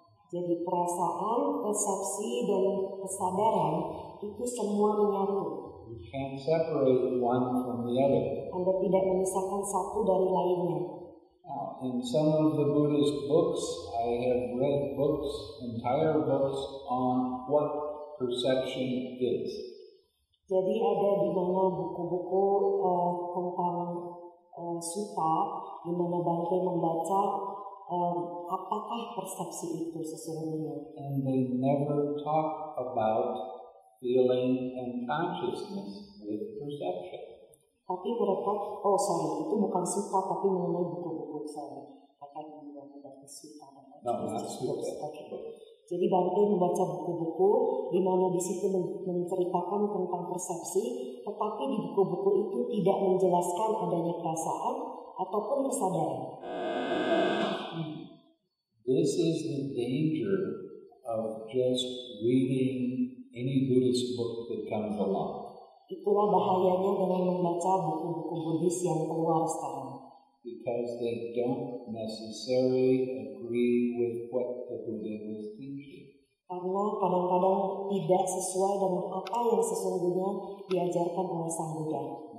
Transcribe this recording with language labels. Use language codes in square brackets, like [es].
[id] Jadi perasaan, persepsi, dan kesadaran itu semua menyatu. [en] You can't separate one from the other. [id] Anda tidak memisahkan satu dari lainnya. [en] Now, in some of the Buddhist books, I have read books, entire books on what perception is. [id] Jadi ada di mana buku-buku tentang Sutta, di mana Bangke membaca apakah persepsi itu sesungguhnya. [en] And they never talk about feeling and consciousness with perception. [id] Tapi mereka, [en] oh sorry, [id] itu bukan Sutta, tapi mengenai buku-buku saya. Katanya bukan berarti Sutta. Jadi Bante membaca buku-buku di mana di situ menceritakan tentang persepsi, tetapi di buku-buku itu tidak menjelaskan adanya perasaan ataupun kesadaran. [en] This is the danger of just reading any Buddhist book that comes along. [id] Itulah bahayanya dengan membaca buku-buku Buddhis yang keluar sekarang. [en] Because they don't necessarily agree with what the Buddha was teaching. [id] Karena kadang-kadang tidak sesuai dengan apa yang sesungguhnya diajarkan oleh Sang Buddha.